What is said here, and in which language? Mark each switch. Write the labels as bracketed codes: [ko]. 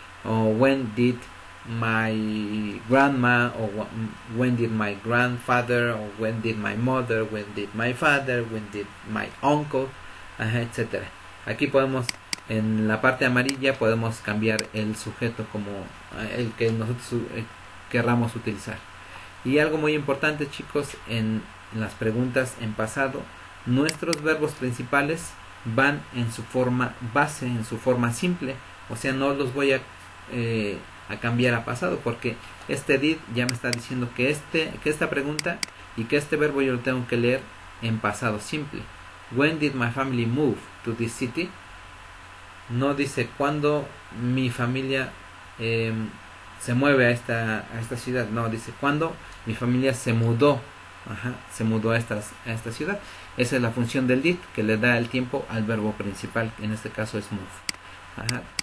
[en] O when did my grandma, o when did my grandfather, o when did my mother, when did my father, when did my uncle, ajá, etcétera. [es] Aquí podemos, en la parte amarilla, podemos cambiar el sujeto como el que nosotros querramos utilizar. Y algo muy importante, chicos, en las preguntas en pasado, nuestros verbos principales van en su forma base, en su forma simple, o sea, no los voy a cambiar a pasado, porque este did ya me está diciendo que esta pregunta y que este verbo yo lo tengo que leer en pasado simple. [en] When did my family move to this city? [es] No dice cuándo mi familia se mueve a esta ciudad, no, dice cuándo mi familia se mudó. Ajá, se mudó a esta ciudad. Esa es la función del did, que le da el tiempo al verbo principal, que en este caso es move. Ajá.